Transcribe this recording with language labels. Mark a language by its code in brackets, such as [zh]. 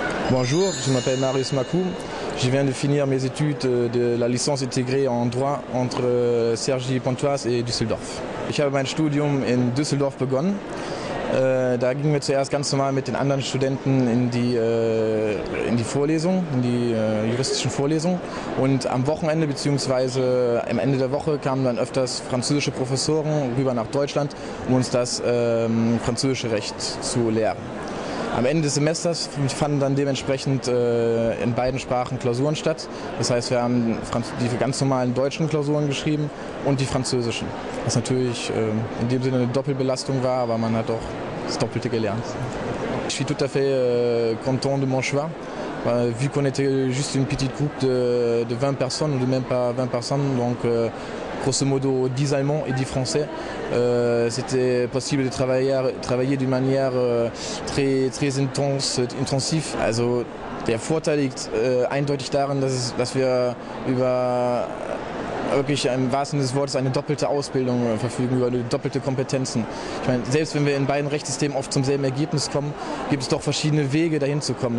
[fr] Bonjour, je m'appelle Marius Macoum. Je viens de finir mes études de la licence intégrée en droit entre Cergy Pontoise et Düsseldorf. [de] Ich habe mein Studium in Düsseldorf begonnen. Da gingen wir zuerst ganz normal mit den anderen Studenten in die juristischen Vorlesungen. Und am Wochenende bzw. am Ende der Woche kamen dann öfters französische Professoren rüber nach Deutschland, um uns das französische Recht zu lehren. Am Ende des Semesters fanden dann dementsprechend in beiden Sprachen Klausuren statt. Das heißt, wir haben die ganz normalen deutschen Klausuren geschrieben und die französischen. Was natürlich in dem Sinne eine Doppelbelastung war, aber man hat auch das Doppelte gelernt. Ich bin [fr] tout à fait content de mon choix, [de] weil [fr] vu qu'on était juste une petite groupe de 20 personnes, [de] oder [fr] même pas 20 personnes, donc grosso modo 10 Allemands et 10 Français, c'était possible de travailler d'une manière très, très intensive. [de] Also der Vorteil liegt eindeutig darin, dass wir über wirklich im wahrsten Sinne des Wortes eine doppelte Ausbildung verfügen, über doppelte Kompetenzen. Ich meine, selbst wenn wir in beiden Rechtssystemen oft zum selben Ergebnis kommen, gibt es doch verschiedene Wege, dahin zu kommen.